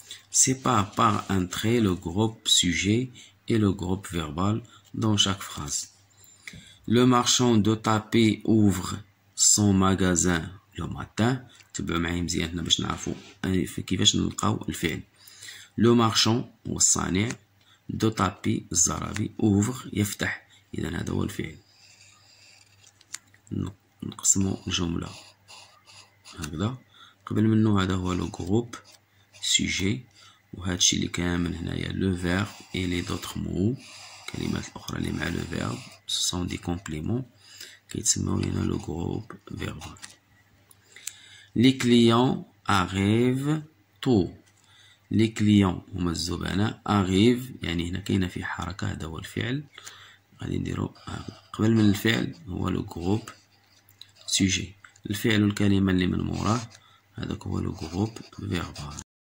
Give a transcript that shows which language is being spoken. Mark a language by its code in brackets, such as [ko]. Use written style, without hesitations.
[fr] Sépare par un trait le groupe sujet et le groupe verbal dans chaque phrase. Le marchand de tapis ouvre son magasin le matin. [ar] تبعوا معايا مزيان باش نعرفوا كيفاش نلقاو الفعل. لو مارشون هو الصانع، دو تابي الزرابي، اوفر يفتح. اذا هذا هو الفعل. نقسمو الجملة هكذا. قبل منو هذا هو لو جروب سوجي، وهادشي اللي كامل هنايا لو فيرب اي لي دوطخ مو، كلمات اخرى اللي مع لو فيرب سون دي كومبليمون، كيتسموا لينا لو جروب فيربال. [fr] Les clients arrivent tôt. Les clients, [ar] هما الزبناء arrive، يعني هنا كاينه في حركه، هذا هو الفعل. غادي نديرو قبل من الفعل هو لو غروب سوجي، الفعل والكلمه اللي من موراه هذاك هو لو غروب فيربال.